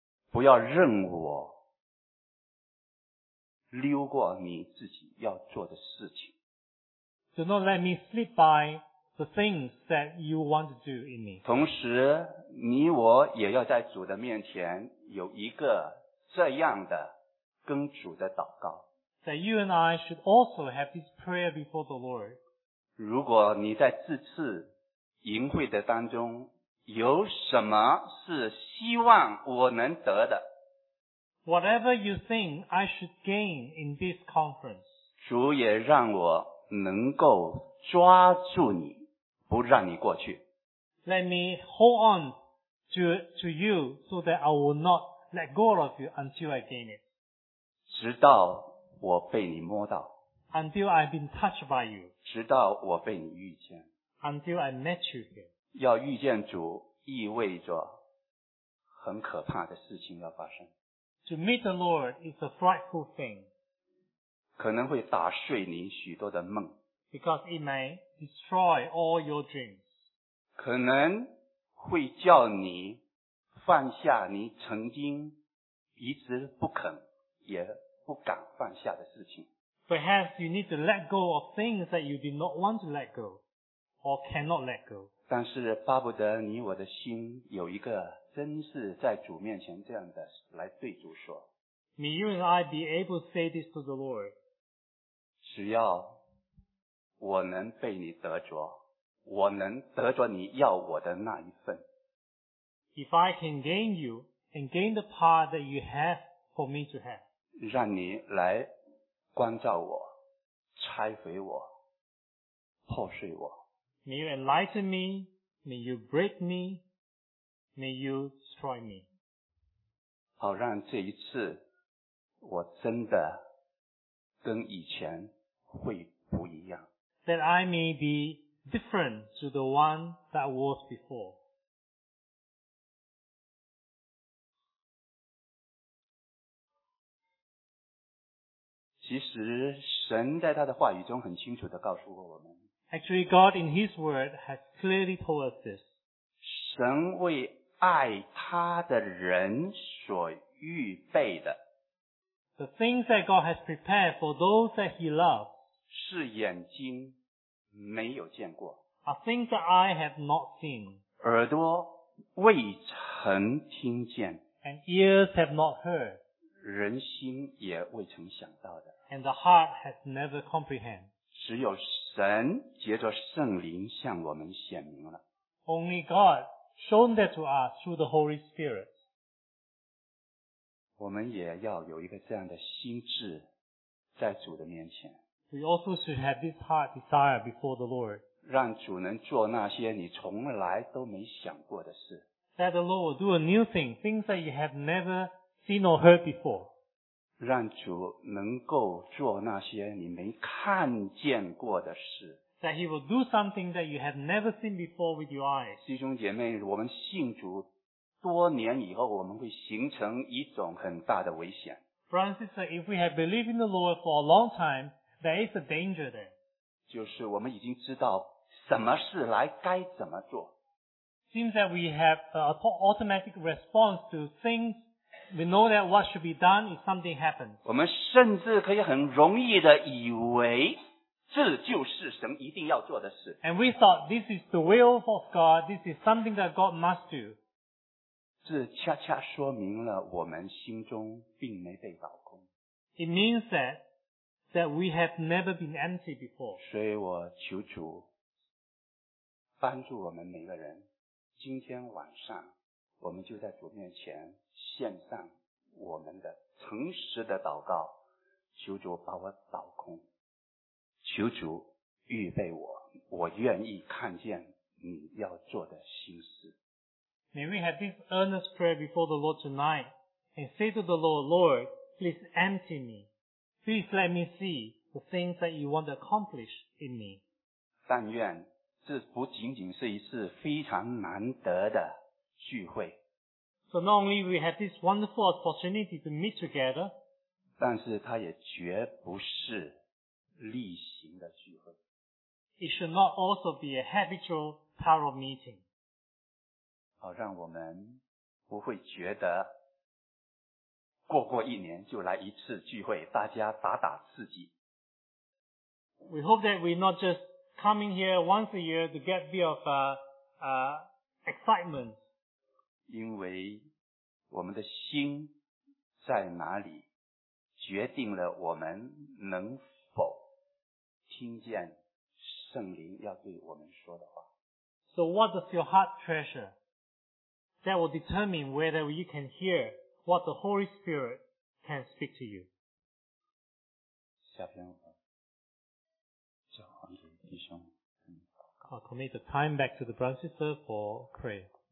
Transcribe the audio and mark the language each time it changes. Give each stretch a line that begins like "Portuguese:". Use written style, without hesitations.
Chinese: 不要任我溜过你自己要做的事情。
English: Do not let me slip by the things that you want to do in me.
Chinese: 同时，你我也要在主的面前有一个这样的跟主的祷告。
English: That you and I should also have this prayer before the Lord.
Chinese: 如果你在这次营会的当中有什么是希望我能得的，
English: Whatever you think I should gain in this conference,
Chinese: 主也让我能够抓住你，不让你过去。
English: Let me hold on to you so that I will not let go of you until I gain it.
Chinese: 直到我被你摸到。
English: Until I've been touched by you.
Chinese: 直到我被你遇见。
English: Until I met you here.
Chinese: 要遇见主意味着很可怕的事情要发生。
English: To meet the Lord is a frightful thing.
Chinese: 可能会打碎你许多的梦。
English: Because it may destroy all your dreams.
Chinese: 可能会叫你放下你曾经一直不肯也不敢放下的事情。
English: Perhaps you need to let go of things that you did not want to let go or cannot let go.
Chinese: 但是巴不得你我的心有一个真是在主面前这样的来对主说。
English: May you and I be able to say this to the Lord.
Chinese: 只要我能被你得着，我能得着你要我的那一份。
English: If I can gain you and gain the part that you have for me to have.
Chinese: 让你来关照我，拆毁我，破碎我。
English: May you enlighten me, may you break me, may you destroy me.
Chinese: 好让这一次我真的跟以前会不一样。
English: That I may be different to the one that was before.
Chinese: 其实神在他的话语中很清楚地告诉过我们。
English: Actually, God in His Word has clearly told us this.
Chinese: 神为爱他的人所预备的。
English: The things that God has prepared for those that He loves.
Chinese: 是眼睛没有见过。
English: Are things that I have not seen.
Chinese: 耳朵未曾听见。
English: And ears have not heard.
Chinese: 人心也未曾想到的。
English: And the heart has never comprehended.
Chinese: 只有神藉着圣灵向我们显明了。
English: Only God shown that to us through the Holy Spirit.
Chinese: 我们也要有一个这样的心智在主的面前。
English: We also should have this heart desire before the Lord.
Chinese: 让主能做那些你从来都没想过的事。
English: That the Lord will do a new thing, things that you have never seen or heard before.
Chinese: 让主能够做那些你没看见过的事。
English: That he will do something that you have never seen before with your eyes.
Chinese: 弟兄姐妹，我们信主多年以后，我们会形成一种很大的危险。
English: Francis, if we have believed in the Lord for a long time,There is a danger there.
Chinese: 就是我们已经知道什么事来该怎么做。
English: Seems that we have an automatic response to things. We know that what should be done if something happens.
Chinese: 我们甚至可以很容易的以为这就是神一定要做的事。
English: And we thought this is the will of God. This is something that God must do.
Chinese: 这恰恰说明了我们心中并没被倒空。
English: It means that. That we have never been empty before.
Chinese: 所以我求主帮助我们每个人，今天晚上我们就在主面前献上我们的诚实的祷告，求主把我倒空，求主预备我，我愿意看见你要做的心事。
English: May we have this earnest prayer before the Lord tonight and say to the Lord, Lord, please empty me. Please let me see the things that you want to accomplish in me.
Chinese: 但愿这不仅仅是一次非常难得的聚会。
English: So not only we have this wonderful opportunity to meet together,
Chinese: 但是它也绝不是例行的聚会。
English: It should not also be a habitual part of meeting.
Chinese: 好，让我们不会觉得过过一年就来一次聚会，大家打打刺激。
English: We hope that we're not just coming here once a year to get a bit of excitement.
Chinese: 因为我们的心在哪里，决定了我们能否听见圣灵要对我们说的话。
English: So what does your heart treasure? That will determine whether you can hear what the Holy Spirit can speak to you.
Chinese: 下篇文叫黄金弟兄。
English: I'll commit the time back to the brother sister for prayer.